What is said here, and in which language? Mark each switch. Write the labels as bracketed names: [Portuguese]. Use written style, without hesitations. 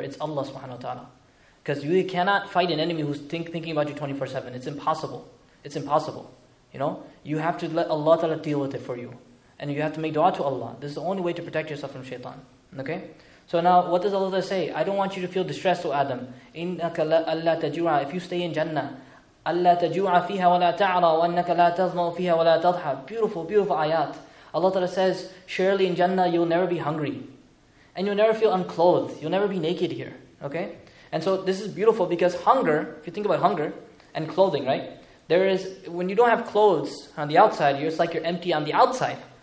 [English] It's Allah subhanahu wa ta'ala. Because you cannot fight an enemy who's thinking about you 24/7. It's impossible. It's impossible. You know, you have to let Allah ta'ala deal with it for you. And you have to make dua to Allah. This is the only way to protect yourself from Shaitan. Okay? So now, what does Allah say? I don't want you to feel distressed, O Adam. [Arabic] إِنَّكَ أَلَّا تَجُوعَ. [English] If you stay in Jannah, [Arabic] أَلَّا تَجُوعَ فِيهَا وَلَا تَعْرَى وَأَنَّكَ لَا تَظْمَأُ فِيهَا وَلَا تَضْحَى. [English] Beautiful, beautiful ayat. Allah Ta'ala says, surely in Jannah you'll never be hungry. And you'll never feel unclothed. You'll never be naked here. Okay? And so this is beautiful, because hunger, if you think about hunger and clothing, right? There is, when you don't have clothes on the outside, it's like you're empty on the outside.